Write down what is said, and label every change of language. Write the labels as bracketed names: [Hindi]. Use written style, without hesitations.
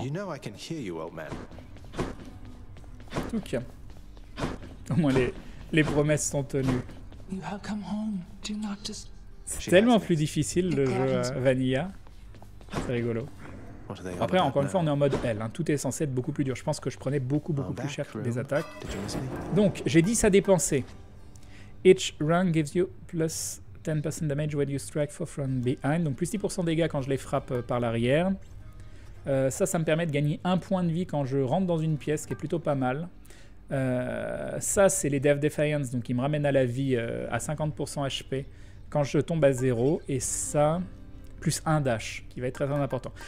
[French] En tout cas, au moins les promesses sont tenues. C'est tellement plus difficile le jeu Vanilla. C'est rigolo. Après, encore une fois, on est en mode L. Hein. Tout est censé être beaucoup plus dur. Je pense que je prenais beaucoup, beaucoup plus cher que les attaques. Donc, j'ai 10 à dépenser. [English] Each run gives you plus 10% damage when you strike 4 from behind. [French] Donc, plus 10% dégâts quand je les frappe par l'arrière. Ça me permet de gagner un point de vie quand je rentre dans une pièce, ce qui est plutôt pas mal. Ça, c'est les Death Defiance, donc ils me ramènent à la vie à 50% HP quand je tombe à 0, et ça, plus un dash, qui va être très important.